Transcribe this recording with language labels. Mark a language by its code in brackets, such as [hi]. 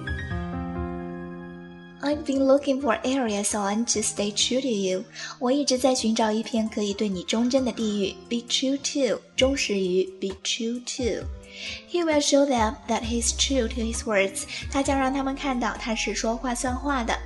[en] I've been looking for areas on to stay true to you. [zh] 我一直在寻找一片可以对你忠贞的地域。 [en] Be true to, 忠实于 be true to. He will show them that he's true to his words. [zh] 他将让他们看到他是说话算话的。